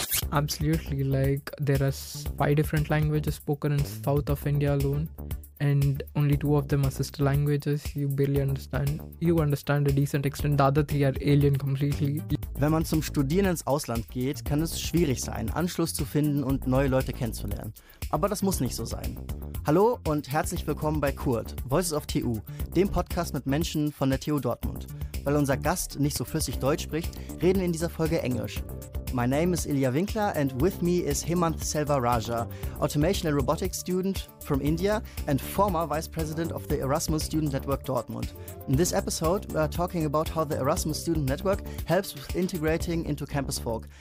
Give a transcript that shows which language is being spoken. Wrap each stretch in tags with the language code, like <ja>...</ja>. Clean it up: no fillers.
<en>Absolutely, like there are 5 different languages spoken in south of India alone, and only 2 of them are sister languages. You barely understand. You understand a decent extent. The other 3 are alien completely.</en> <de>Wenn man zum Studieren ins Ausland geht, kann es schwierig sein, Anschluss zu finden und neue Leute kennenzulernen. Aber das muss nicht so sein. Hallo und herzlich willkommen bei Kurt, Voices of TU, dem Podcast mit Menschen von der TU Dortmund. Weil unser Gast nicht so flüssig Deutsch spricht, reden wir in dieser Folge Englisch.</de> <en>My name is Ilya Winkler and with me is Hemant Selvaraja, Automation and Robotics student from India and former Vice President of the Erasmus Student Network Dortmund. In this episode, we are talking about how the Erasmus Student Network helps with integrating into campus folk.</en>